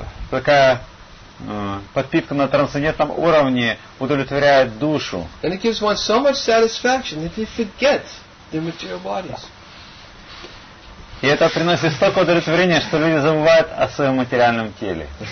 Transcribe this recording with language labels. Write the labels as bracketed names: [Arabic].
[Russian] Такая подпитка на трансцендентном уровне удовлетворяет душу. [English] And it gives one so much satisfaction that they forget their material bodies. [Russian] И это приносит столько удовлетворения, что люди забывают о своем материальном теле.